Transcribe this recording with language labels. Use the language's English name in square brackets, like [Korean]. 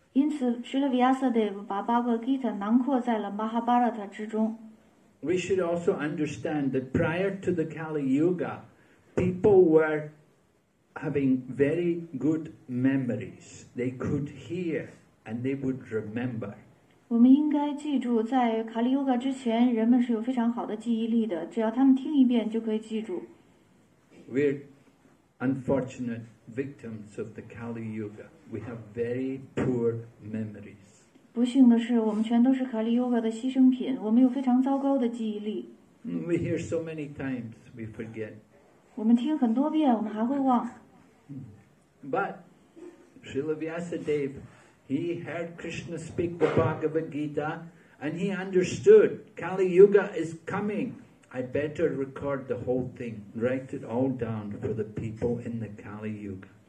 [Chinese] 因此 ，Srila Vyasadeva 把 Bhagavad Gita 囊括在了 Mahabharata 之中。 [English] We should also understand that prior to the Kali Yuga, people were having very good memories. They could hear and they would remember. [Chinese] 我们应该记住，在卡利瑜伽之前，人们是有非常好的记忆力的，只要他们听一遍就可以记住。 [English] We're unfortunate victims of the Kali Yuga. We have very poor memories. [Chinese] 不幸的是，我们全都是卡利瑜伽的牺牲品，我们有非常糟糕的记忆力。 [English] We hear so many times, we forget. [Chinese] 我们听很多遍，我们还会忘。 [English] But Srila Vyasadeva,he heard Krishna speak the Bhagavad Gita and he understood Kali Yuga is coming. I better record the whole thing, write it all down for the people in the Kali Yuga.